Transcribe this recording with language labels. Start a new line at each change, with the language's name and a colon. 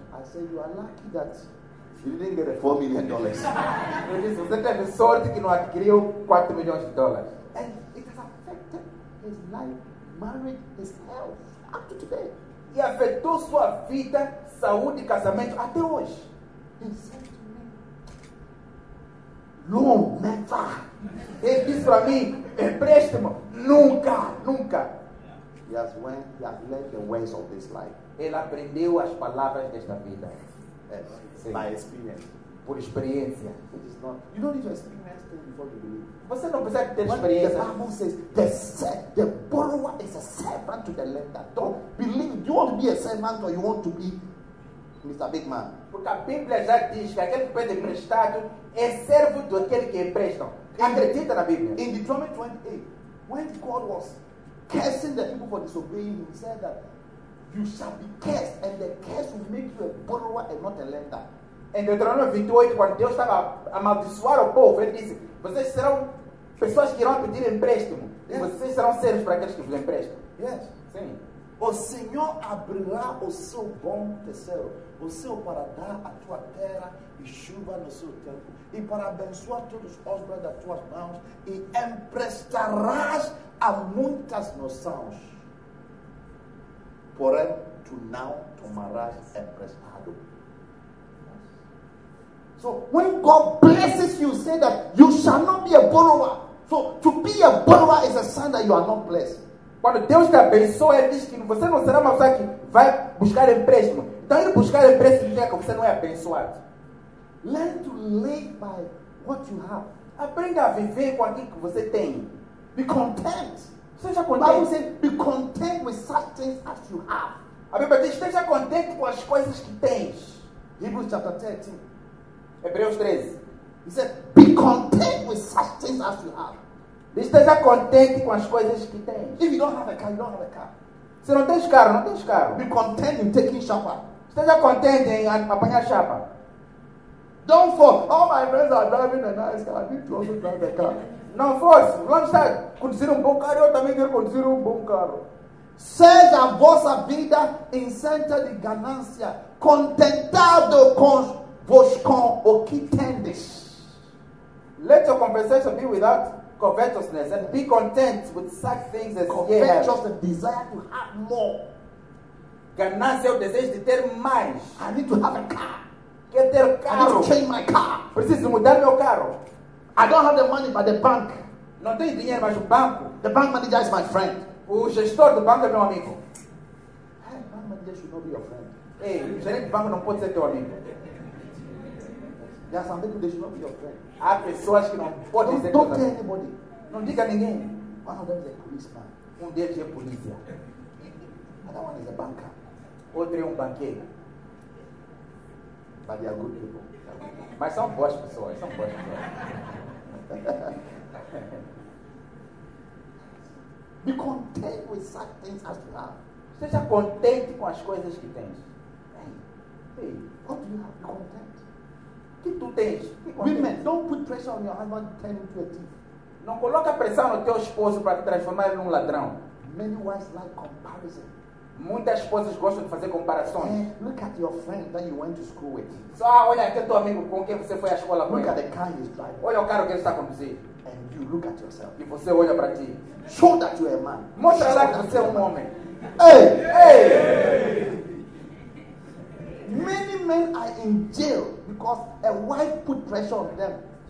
English: I said, you are lucky that you didn't get $4 million.
Portuguese: Eu disse, você teve sorte que não adquiriu $4 million.
English: And it has affected his life, marriage, his health, up to today.
Portuguese: E afetou sua vida, saúde e casamento até hoje.
English: He said to me, no, never.
Portuguese: Ele disse para mim, empréstimo, nunca, nunca.
English: He has learned the ways of this life.
Portuguese: Ele aprendeu as palavras desta vida.
English: Yes. By experience.
Portuguese: Por experiência.
English: It is not, you don't need to experience things before you believe.
Portuguese: Você não precisa ter experiência.
English: The Bible says, the borrower is a servant to the lender. Don't believe. You want to be a servant or you want to be Mr. Big Man?
Portuguese: Porque a Bíblia já diz que aquele que pede emprestado é servo do aquele que empresta. Acredita na Bíblia.
English: In Deuteronomy 28, when God was cursing the people for disobeying, he said that you shall be cursed and the curse will make you a borrower and not a lender.
Portuguese: Em Deuteronômio 28, quando Deus estava a amaldiçoar o povo, ele disse, vocês serão pessoas que irão pedir empréstimo. Yes. E vocês serão servos para aqueles que vos emprestam.
English: Yes.
Portuguese: Sim. O Senhor abrirá o seu bom tesouro, o seu para dar a tua terra e chuva no seu tempo, e para abençoar todos os obras das tuas mãos, e emprestarás a muitas nações. Porém, tu não tomarás emprestado.
English: So when God blesses you, say that you shall not be a borrower. So to be a borrower is a sign that you are not blessed.
Portuguese: Quando Deus te abençoa, ele diz que você não será uma pessoa que vai buscar empréstimo. Então ele buscar empréstimo significa que você não é abençoado.
English: Learn to live by what you have.
Portuguese: Aprenda a viver com aquilo que você tem.
English: Be content.
Portuguese: Seja contente.
English: Bible says, be content with such things as you have.
Portuguese: A Bíblia diz, esteja contente com as coisas que tens.
English: Hebrews chapter 13.
Portuguese: Hebreus 13.
English: He said, be content with such things as you have.
Portuguese: Esteja contente com as coisas que tens.
English: If you don't have a car, you don't have a car.
Portuguese: Se não tens carro, não tens carro.
English: Be content in taking shower.
Portuguese: Esteja contente em apanhar chapa.
English: Don't force. All my friends are driving a nice car. I need to also drive a car.
Portuguese: Não force. Vamos lá. Conduzir bom carro, eu também quero conduzir bom carro. Seja a vossa vida em centro de ganância. Contentado com vos com o que tendes.
English: Let your conversation be without covetousness and be content with such things as you have. Covetous, the desire to have more.
Portuguese: Ganância, o desejo de ter mais.
English: I need to have a car.
Portuguese: Quer ter carro.
English: I need to change my car.
Portuguese: Preciso mudar meu carro.
English: I don't have the money, but the bank.
Portuguese: Não tenho dinheiro, mas o banco.
English: The bank manager is my friend.
Portuguese: O gestor do banco é meu amigo.
English: Hey, bank manager should not be your friend.
Portuguese: Ei, o gerente do banco não pode ser teu amigo.
English: There are some people they should not be your friend.
Portuguese: Há pessoas que não podem ser.
English: Don't tell anybody.
Portuguese: Não diga a ninguém.
English: One of them is a policeman.
Portuguese: Um deles é polícia.
English: Another one is a banker.
Portuguese: Outro é banqueiro.
English: But they are good people.
Portuguese: Mas são boas pessoas. São boas pessoas.
English: Be content with such things as you have.
Portuguese: Seja contente com as coisas que tens.
English: Hey, what do you have? Be content.
Portuguese: Tu tens.
English: Women, don't put pressure on your husband to turn into a thief.
Portuguese: Não coloca pressão no teu esposo para te transformar em ladrão.
English: Many wives like comparison.
Portuguese: Muitas esposas gostam de fazer comparações.
English: Look at your friend that you went to school with.
Portuguese: Só olha aquele teu amigo com quem você foi à escola com
English: look
Portuguese: ele.
English: At the car he's driving.
Portuguese: Olha o carro que ele está conduzindo.
English: And you look at yourself.
Portuguese: E você olha para ti.
English: Show that you are a man.
Portuguese: Mostra lá que você é um homem. Hey! Hey!
English: Many men are in jail because a wife put pressure on them.